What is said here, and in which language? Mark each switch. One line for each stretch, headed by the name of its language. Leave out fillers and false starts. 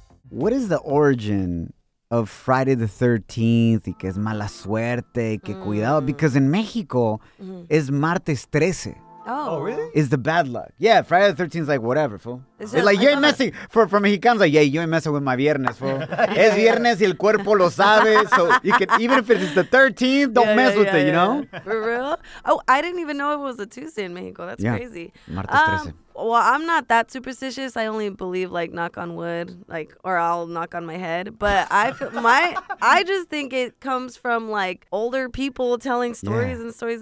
English: What is the origin of Friday the 13th,
Spanish: y que es mala suerte, y que cuidado,
English: because in Mexico,
Spanish: es martes 13.
English: Oh, really? Is the bad luck. Yeah, Friday the 13th is like, whatever, fool. It's like, you ain't messing. For Mexicans, like, yeah, you ain't messing with my viernes, fool.
Spanish: Yeah, es viernes y el cuerpo lo sabe.
English: So you can, even if it's the 13th, don't mess with it, you know? For real? Oh, I didn't even know it was a Tuesday in Mexico. That's crazy.
Spanish: Martes 13.
English: Well, I'm not that superstitious. I only believe, like, knock on wood, like, or I'll knock on my head. But I just think it comes from, like, older people telling stories and stories.